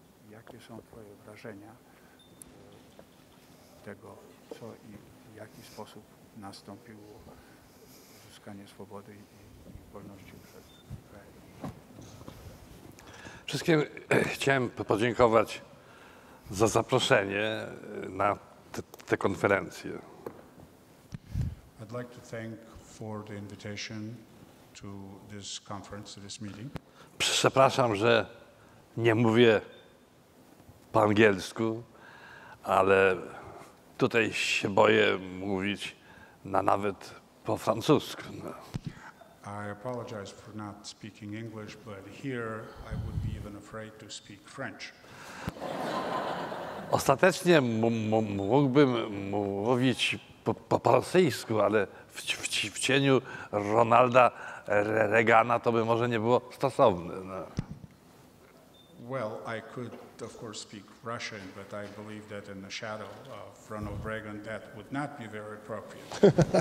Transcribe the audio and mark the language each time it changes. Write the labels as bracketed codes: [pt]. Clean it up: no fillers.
[pl] Jakie są twoje wrażenia tego, co i w jaki sposób nastąpiło uzyskanie swobody i wolności przez kraje? Wszystkim chciałem podziękować za zaproszenie na tę konferencję. [en] I'd like to thank for the invitation to this conference, to this meeting. [pl] Przepraszam, że nie mówię po angielsku, ale tutaj się boję mówić nawet po francusku. [en] I apologize for not speaking English, but here I would be even afraid to speak French. [pl] Ostatecznie mógłbym mówić po rosyjsku, ale w cieniu Ronalda Reagana to by może nie było stosowne. No. [en] Well, I could of course speak Russian, but I believe that in the shadow of Ronald Reagan that would not be very appropriate.